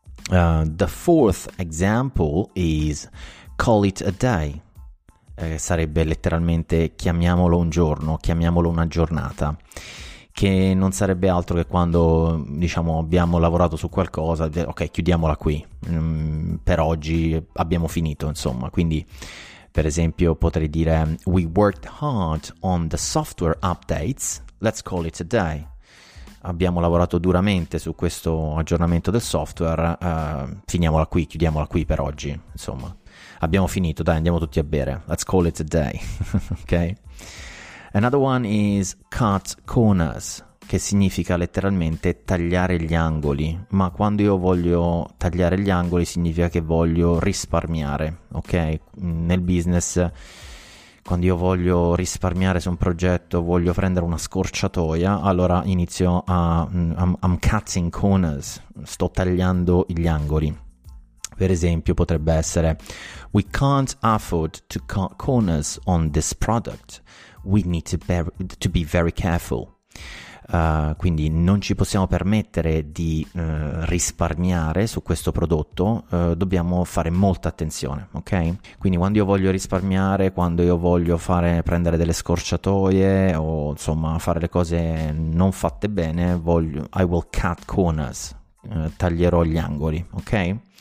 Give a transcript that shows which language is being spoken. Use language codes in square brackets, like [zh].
[en] The fourth example is call it a day, [it] sarebbe letteralmente chiamiamolo un giorno, chiamiamolo una giornata, che non sarebbe altro che quando, diciamo, abbiamo lavorato su qualcosa, ok, chiudiamola qui, per oggi abbiamo finito, insomma, quindi per esempio potrei dire [en] we worked hard on the software updates, let's call it a day. [it] Abbiamo lavorato duramente su questo aggiornamento del software, finiamola qui, chiudiamola qui per oggi, insomma. Abbiamo finito, dai, andiamo tutti a bere. [en] Let's call it a day. Okay? Another one is cut corners. [it] che significa letteralmente tagliare gli angoli, ma quando io voglio tagliare gli angoli significa che voglio risparmiare, ok? Nel business, quando io voglio risparmiare su un progetto, voglio prendere una scorciatoia, allora inizio a [en] I'm cutting corners, [it] sto tagliando gli angoli. Per esempio potrebbe essere: [en] we can't afford to cut corners on this product, we need to be very careful. [it] Quindi non ci possiamo permettere di risparmiare su questo prodotto, dobbiamo fare molta attenzione, ok? Quindi quando io voglio risparmiare, quando io voglio prendere delle scorciatoie o insomma fare le cose non fatte bene, [en] I will cut corners, [it] taglierò gli angoli, ok?